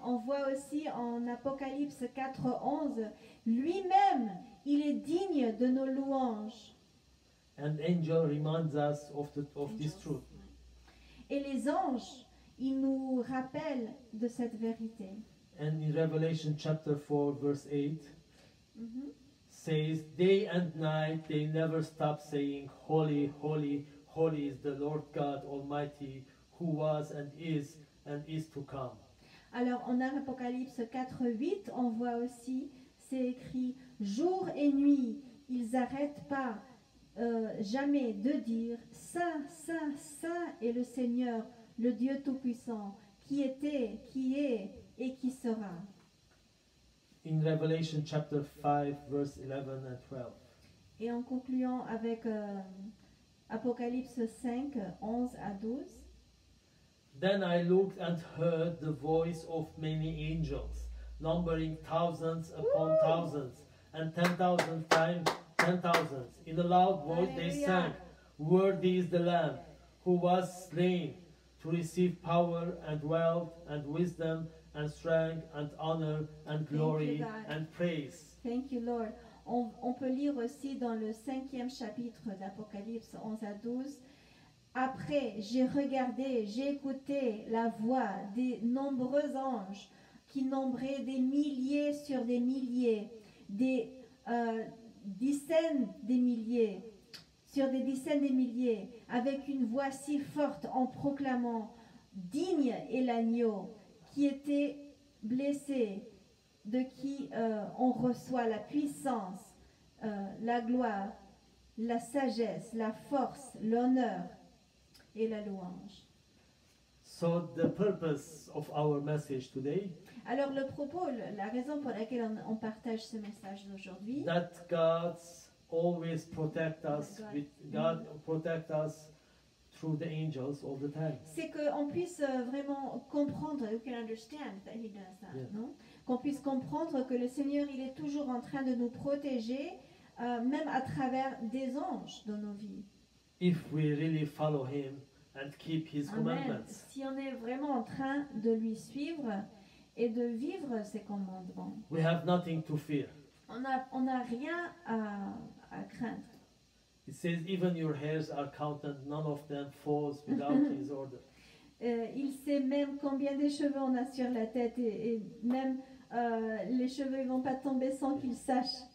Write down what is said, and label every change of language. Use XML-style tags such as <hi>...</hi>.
<fr>On voit aussi en Apocalypse 4, 11, lui-même, il est digne de nos louanges.</fr> <en>And angel reminds us of this truth.</en> <fr>Et les anges, ils nous rappellent de cette vérité.</fr> <en>And in Revelation chapter 4, verse 8, says, Day and night, they never stop saying, Holy, holy, holy is the Lord God Almighty, who was and is to come.</en> <fr>Alors, on a Apocalypse 4, 8, on voit aussi, c'est écrit, jour et nuit, ils n'arrêtent pas jamais de dire, Saint, Saint, Saint est le Seigneur, le Dieu Tout-Puissant, qui était, qui est et qui sera.</fr> <en>In Revelation chapter 5, verse 11 and 12.</en> <fr>Et en concluant avec Apocalypse 5, 11 à 12.</fr> <en>Then I looked and heard the voice of many angels, numbering thousands upon thousands, and 10,000 times 10,000. In a loud voice they sang, Worthy is the Lamb who was slain to receive power and wealth and wisdom and strength and honor and glory and praise. Thank you, Lord.</en> <fr>On peut lire aussi dans le cinquième chapitre d'Apocalypse 11 à 12. Après, j'ai regardé, j'ai écouté la voix des nombreux anges qui nombraient des milliers sur des milliers, des dizaines des milliers, sur des dizaines des milliers, avec une voix si forte en proclamant « Digne est l'agneau qui était blessé, de qui on reçoit la puissance, la gloire, la sagesse, la force, l'honneur ». Et la louange.</fr> <en>So the purpose of our message today.</en> <fr>Alors le propos, la raison pour laquelle on partage ce message d'aujourd'hui.</fr> <en>That God always protect us with God protect us through the angels all the time.</en> <fr>C'est qu'on puisse vraiment comprendre,</fr> <en>we can understand that He does that, yeah.</en> <fr>Non? Qu'on puisse comprendre que le Seigneur, il est toujours en train de nous protéger, même à travers des anges dans nos vies.</fr> <en>If we really follow him and keep his commandments.</en> <fr>Si on est vraiment en train de lui suivre et de vivre ses commandements.</fr> <en>We have nothing to fear.</en> <fr>On a rien à craindre.</fr> <en>It says even your hairs are counted, none of them falls without his order.</en> <fr>Il sait même combien de cheveux on a sur la tête et même les cheveux ne vont pas tomber sans qu'il sache.</fr>